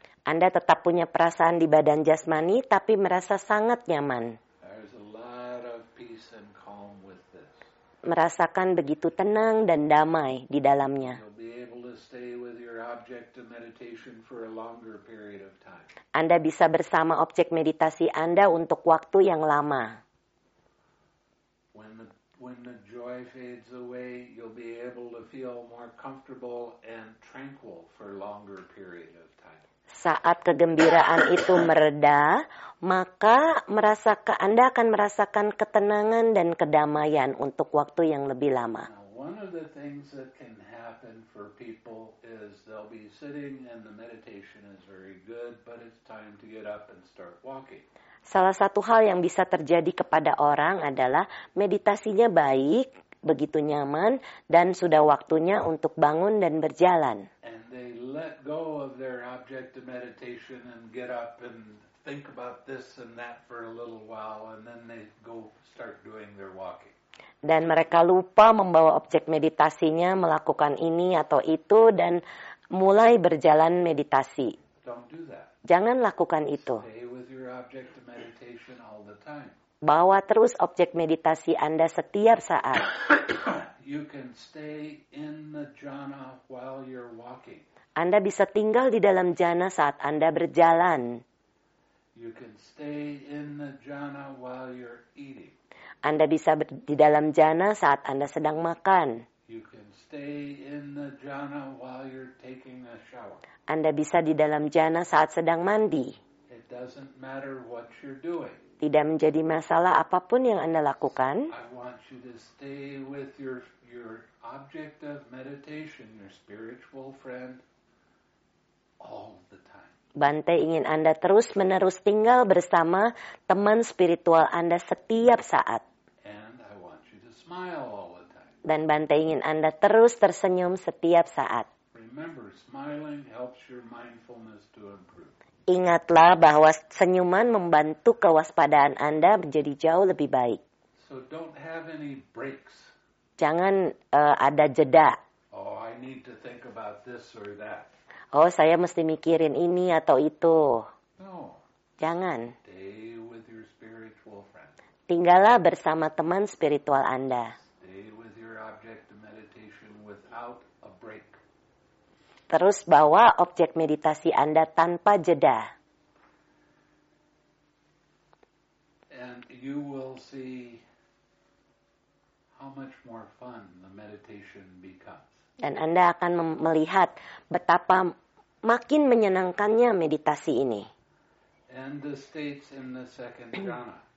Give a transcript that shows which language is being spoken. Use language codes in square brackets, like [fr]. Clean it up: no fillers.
[id] Anda tetap punya perasaan di badan jasmani, tapi merasa sangat nyaman. [en] There's a lot of peace and calm with this. [id] Merasakan begitu tenang dan damai di dalamnya. [en] You'll be to stay with your object of meditation for a longer period of time. [id] Anda bisa bersama objek meditasi Anda untuk waktu yang lama. [en] When the joy fades away, you'll be able to feel more comfortable and tranquil for a longer period of time. [id] Saat kegembiraan itu mereda, maka Anda akan merasakan ketenangan dan kedamaian untuk waktu yang lebih lama. [en] Now, one of the things that can happen for people is they'll be sitting and the meditation is very good, but it's time to get up and start walking. [id] Salah satu hal yang bisa terjadi kepada orang adalah meditasinya baik, begitu nyaman, dan sudah waktunya untuk bangun dan berjalan. [en] And they let go of their object of meditation and get up and think about this and that for a little while, and then they go start doing their walking. [id] Dan mereka lupa membawa objek meditasinya, melakukan ini atau itu, dan mulai berjalan meditasi. [en] Don't do that. [id] Jangan lakukan itu. [en] Stay with your object of meditation all the time. [id] Bawa terus objek meditasi Anda setiap saat. [en] You can stay in the jhana while you're walking. [id] Anda bisa tinggal di dalam jhana saat Anda berjalan. [en] You can stay in the jhana while you're eating. [id] Anda bisa di dalam jhana saat Anda sedang makan. [en] You can stay in the jhana while you're taking a shower. [id] Anda bisa di dalam jhana saat sedang mandi. [en] It doesn't matter what you're doing. [id] Tidak menjadi masalah apapun yang Anda lakukan. [en] I want you to stay with your object of meditation, your spiritual friend, all the time. [id] Bante ingin Anda terus-menerus tinggal bersama teman spiritual Anda setiap saat. [en] And I want you to smile all the time. [id] Dan Bante ingin Anda terus tersenyum setiap saat. [en] Remember, smiling helps your mindfulness to improve. [id] Ingatlah bahwa senyuman membantu kewaspadaan Anda menjadi jauh lebih baik. [en] So don't have any breaks. [id] Jangan ada jeda. [en] Oh, I need to think about this or that. [id] Oh, saya mesti mikirin ini atau itu. [en] No. [id] Jangan. [en] Stay with your spiritual friend. [id] Tinggallah bersama teman spiritual Anda. [en] Stay with your object of meditation without a break. [id] Terus bawa objek meditasi Anda tanpa jeda. [en] And you will see how much more fun the meditation becomes. [id] Dan Anda akan melihat betapa makin menyenangkannya meditasi ini. [en] And the states in the second jhana.